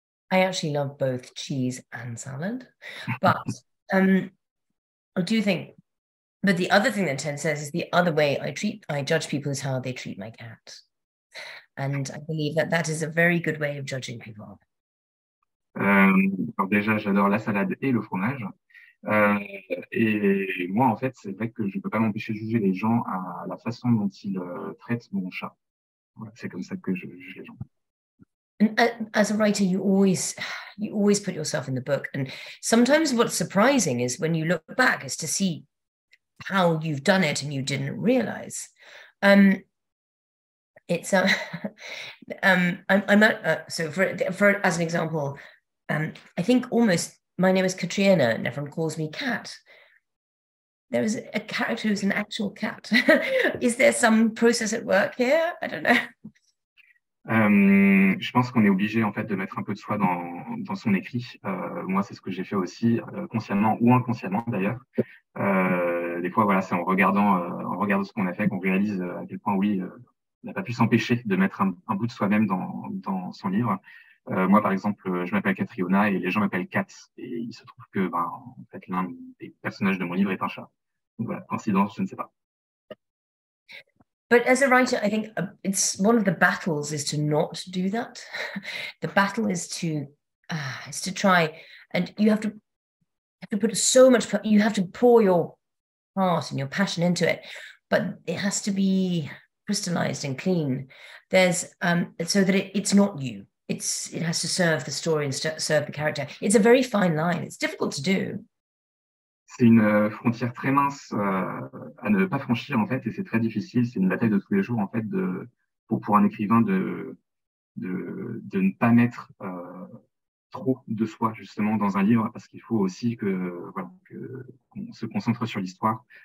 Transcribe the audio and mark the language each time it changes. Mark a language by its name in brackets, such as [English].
[English] I actually love both cheese and salad, but I do think. But the other thing that Ted says is the other way I judge people is how they treat my cat. And I believe that that is a very good way of judging people. [French] Alors déjà, j'adore la salade et le fromage. Et moi, en fait, c'est vrai que je ne peux pas m'empêcher de juger les gens à la façon dont ils traitent mon chat. Voilà, c'est comme ça que je juge les gens. [English] As a writer, you always put yourself in the book. And sometimes what's surprising is when you look back is to see how you've done it and you didn't realize. So, as an example, I think almost my name is Catriona and everyone calls me Cat. There is a character who's an actual cat. Is there some process at work here? I don't know. [French] Je pense qu'on est obligé en fait de mettre un peu de soi dans son écrit. Moi, c'est ce que j'ai fait aussi, consciemment ou inconsciemment d'ailleurs. Des fois, voilà, c'est en regardant ce qu'on a fait qu'on réalise à quel point, oui, on n'a pas pu s'empêcher de mettre un bout de soi-même dans son livre. Moi, par exemple, je m'appelle Catriona et les gens m'appellent Kat. Et il se trouve que, en fait, l'un des personnages de mon livre est un chat. Donc voilà, coïncidence, je ne sais pas. [English] But as a writer, I think it's one of the battles is to not do that. The battle is to try, and you have to put so much, you have to pour your heart and your passion into it, but it has to be crystallized and clean. There's so that it's not you. It has to serve the story and serve the character. It's a very fine line. It's difficult to do. [French] C'est une frontière très mince à ne pas franchir, en fait, et c'est très difficile. C'est une bataille de tous les jours, en fait, pour un écrivain de ne pas mettre trop de soi, justement, dans un livre, parce qu'il faut aussi qu'on se concentre sur l'histoire.